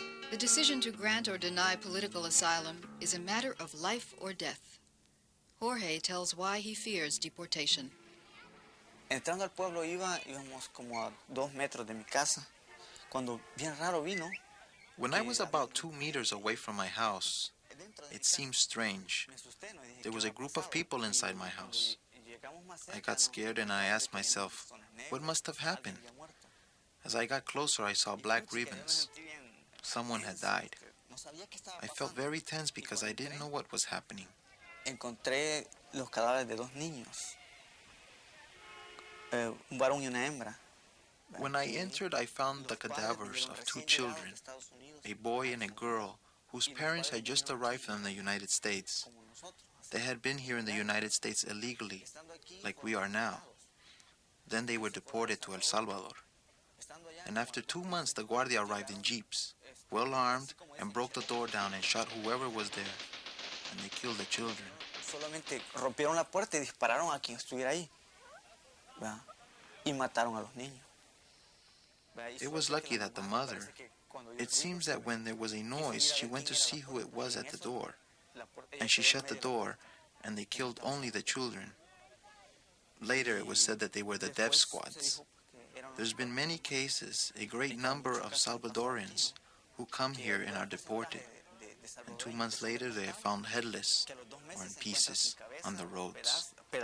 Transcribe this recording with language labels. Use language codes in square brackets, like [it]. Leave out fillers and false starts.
[en] The decision to grant or deny political asylum is a matter of life or death. Jorge tells why he fears deportation. [es] Entrando al pueblo íbamos como a dos metros de mi casa. Cuando bien raro vino. [en] When I was about 2 meters away from my house, it seemed strange. There was a group of people inside my house. I got scared and I asked myself, what must have happened? As I got closer, I saw black ribbons. Someone had died. I felt very tense because I didn't know what was happening. [es] Encontré los cadáveres de dos niños, un varón y una hembra. [en] When I entered, I found the cadavers of two children, a boy and a girl, whose parents had just arrived from the United States. They had been here in the United States illegally, like we are now. Then they were deported to El Salvador. And after 2 months, the guardia arrived in jeeps, well armed, and broke the door down and shot whoever was there, and they killed the children. [es] Solamente rompieron la puerta y dispararon a quien estuviera ahí, y mataron a los niños. [en] It was lucky that the mother, it seems that when there was a noise, she went to see who it was at the door, and she shut the door, and they killed only the children. Later, it was said that they were the death squads. There's been many cases, a great number of Salvadorians who come here and are deported, and 2 months later, they are found headless or in pieces on the roads.